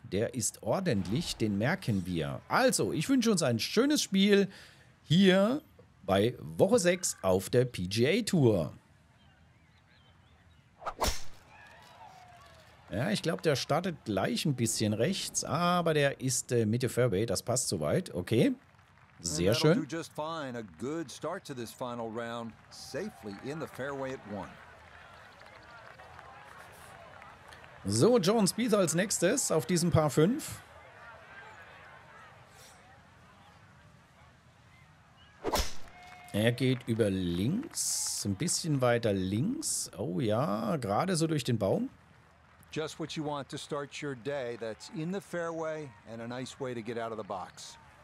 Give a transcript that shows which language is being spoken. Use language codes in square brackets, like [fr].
[de] Der ist ordentlich, den merken wir. Also, ich wünsche uns ein schönes Spiel hier bei Woche 6 auf der PGA Tour. Ja, ich glaube, der startet gleich ein bisschen rechts, aber der ist Mitte Fairway, das passt soweit. Okay, sehr schön. [en] Do just fine. A good start to this final round, safely in the fairway at one. [de] So, Jordan Spieth als nächstes auf diesem Par 5. Er geht über links, ein bisschen weiter links. Oh ja, gerade so durch den Baum. [en] Just what you want to start your day. That's in the fairway and a nice way to get out of the box.